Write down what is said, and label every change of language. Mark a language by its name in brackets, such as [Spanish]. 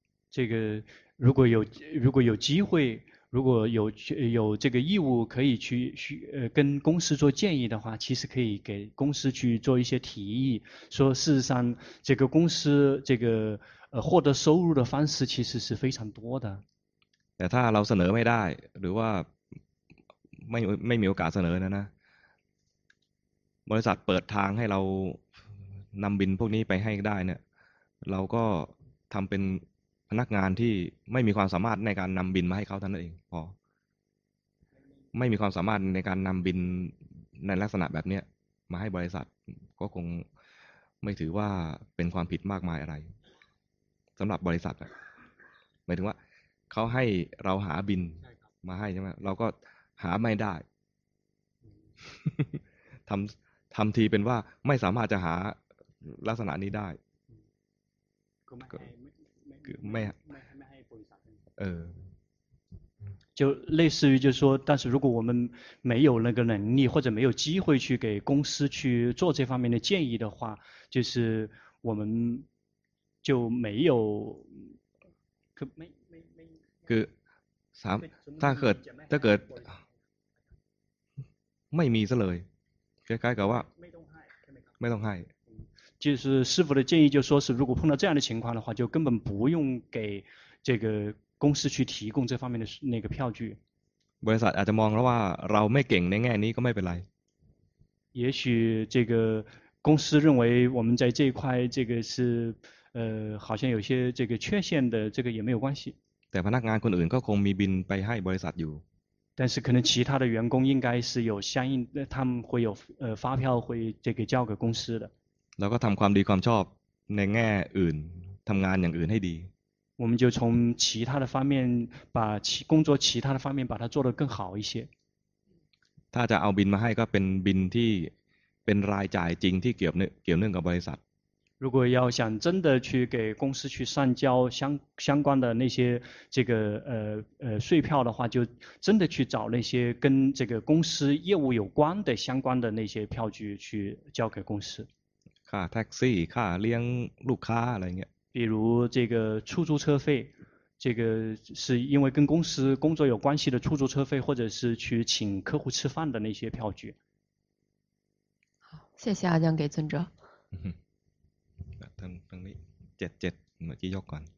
[Chinese] 这个如果有机会如果有这个义务可以去跟公司做建议的话其实可以给公司去做一些提议说事实上这个公司这个获得收入的方式其实是非常多的 [Thai] แต่ถ้าเราเสนอไม่ได้หรือว่าไม่มีโอกาสเสนอนะบริษัทเปิดทางให้เรานำบินพวกนี้ไปให้ได้เนี่ยเราก็ทำเป็นพนักงานที่ไม่มีความสามารถในการนำบินมาให้เขาท่านนั่นเองพอ ไม่มีความสามารถในการนำบินในลักษณะแบบเนี้ยมาให้บริษัทก็คงไม่ถือว่าเป็นความผิดมากมายอะไรสำหรับบริษัทหมายถึงว่าเขาให้เราหาบินมาให้ใช่ไหมเราก็หาไม่ได้ ทำทีเป็นว่าไม่สามารถจะหาลักษณะนี้ได้ก็ไม่ให้บริษัท เ [Chinese] ออ就类似于就是说但是如果我们没有那个能力或者没有机会去给公司去做这方面的建议的话就是我们就没有 [Thai] คือไม่คือสามถ้าเกิดไม่มีซะเลยคล้ายๆกับว่า ไม่ต้องให้ [Chinese] 就是师傅的建议，就说是如果碰到这样的情况的话，就根本不用给这个公司去提供这方面的那个票据。 [Thai] บริษัทอาจจะมองแล้วว่าเราไม่เก่งในแง่นี้ก็ไม่เป็นไร。 [Chinese] 也许这个公司认为我们在这一块这个是好像有些这个缺陷的，这个也没有关系。 [Thai] แต่พนักงานคนอื่นก็คงมีบินไปให้บริษัทอยู่。 [Chinese] 但是可能其他的员工应该是有相应的，他们会有发票会这个交给公司的。 [Thai] แล้วก็ทำความดีความชอบในแง่อื่นทำงานอย่างอื่นให้ดี [Chinese] 我们就从其他的方面把其工作其他的方面把它做得更好一些。 [Thai] ถ้าจะเอาบินมาให้ก็เป็นบินที่เป็นรายจ่ายจริงที่เกี่ยวเนื่องกับบริษัท [Chinese] 如果要想真的去给公司去上交相关的那些这个税票的话，就真的去找那些跟这个公司业务有关的相关的那些票据去交给公司。 [Thai] ค่าแท็กซี่ค่าเลี้ยงลูกค้าอะไรเงี้ย [Chinese] 比如这个出租车费，这个是因为跟公司工作有关系的出租车费，或者是去请客户吃饭的那些票据。好，谢谢阿江给尊者。等你77เมื่อกี้ยกก่อน